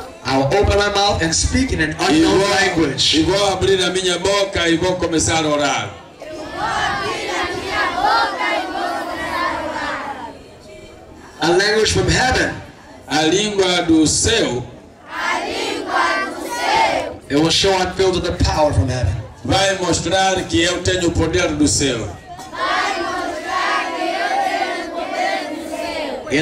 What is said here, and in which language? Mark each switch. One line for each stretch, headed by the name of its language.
English: I'll open my mouth and speak in an unknown language.
Portuguese: E vou abrir a minha boca e vou começar a orar.
English: A language from heaven.
Portuguese: A língua do céu. A língua do céu.
English: It will show I'm filled with the power from heaven.
Portuguese: Vai mostrar que eu tenho o poder do céu. Vai mostrar que eu tenho o poder do céu.